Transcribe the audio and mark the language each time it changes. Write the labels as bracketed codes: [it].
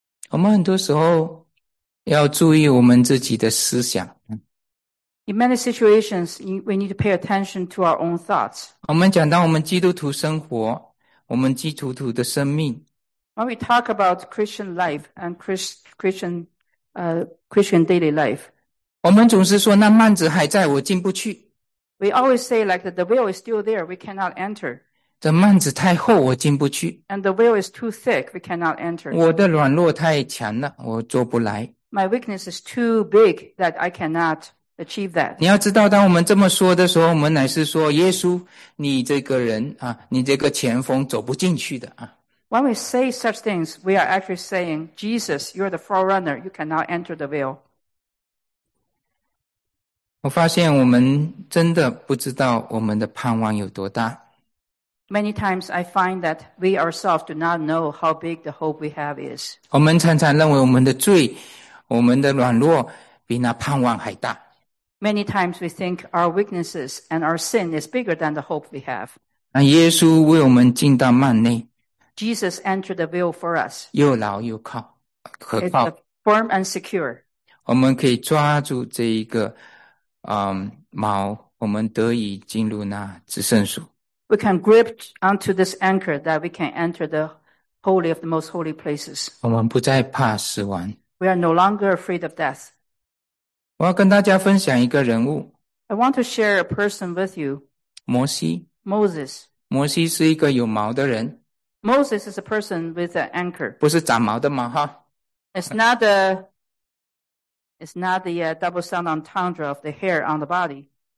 [zh] 我们很多时候要注意我们自己的思想。 [en] In many situations, we need to pay attention to our own thoughts. [zh] 我们讲到我们基督徒生活，我们基督徒的生命。 [en] When we talk about Christian life and Christian daily life, [zh] 我们总是说那幔子还在，我进不去。 [en] We always say like that the veil is still there, we cannot enter. [zh] 这幔子太厚，我进不去。 [en] And the veil is too thick, we cannot enter. [zh] 我的软弱太强了，我做不来。 [en] My weakness is too big that I cannot. Achieve that. [zh] 你要知道当我们这么说的时候我们乃是说耶稣你这个人啊，你这个前锋走不进去的啊。 [en] When we say such things, we are actually saying, Jesus, you're the forerunner, you cannot enter the veil. [zh] 我发现我们真的不知道我们的盼望有多大。 [en] Many times I find that we ourselves do not know how big the hope we have is. [zh] 我们常常认为我们的罪我们的软弱比那盼望还大。 [en] Many times we think our weaknesses and our sin is bigger than the hope we have. [zh] 耶稣为我们进到幔内。 [en] Jesus entered the veil for us. [zh] 又牢又靠，可靠。 [en] It's firm and secure. [zh] 我们可以抓住这一个锚，我们得以进入那至圣所。 [en] We can grip onto this anchor that we can enter the holy of the most holy places. [zh] 我们不再怕死亡。 [en] We are no longer afraid of death. [zh] 我要跟大家分享一个人物。 [en] I want to share a person with you. [zh] 摩西。 [en] Moses. [zh] 摩西是一个有锚的人。 [en] Moses is a person with an anchor. [zh] 不是长毛的锚哈。 [en] It's not the double sound entendre of the hair on the body.